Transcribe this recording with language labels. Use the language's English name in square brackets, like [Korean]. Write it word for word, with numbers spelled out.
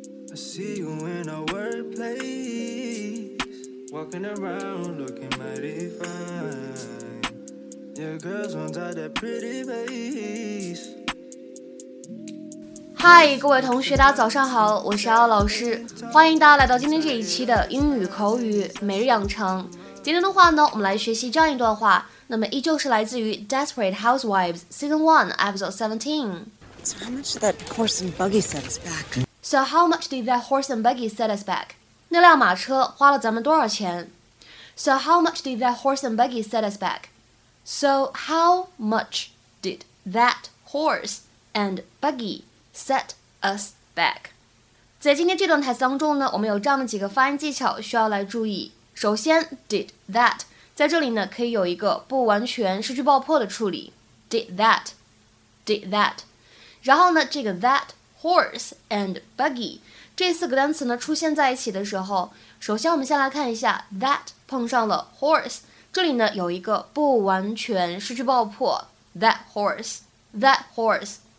[English] I see you in our workplace, walking around looking mighty fine. Your girls want that pretty face. [Chinese] 嗨，各位同学，大家早上好，我是奥老师，欢迎大家来到今天这一期的英语口语每日养成。今天的话呢，我们来学习这样一段话，那么依旧是来自于 Desperate Housewives Season one Episode seventeen. [English] So how much did that horse and buggy set us back? So how much did that horse and buggy set us back? [Chinese] 那辆马车花了咱们多少钱 [English] ？So how much did that horse and buggy set us back? So how much did that horse and buggy? Set us back. [Chinese] 在今天这段台词当中呢，我们有这样的几个发音技巧需要来注意。首先 did that 在这里呢可以有一个不完全失去爆破的处理 [English] did that did that [Chinese] 然后呢这个 [English] that horse and buggy [Chinese] 这四个单词呢出现在一起的时候，首先我们先来看一下 that 碰上了 horse， 这里呢有一个不完全失去爆破 [English] that horse that horse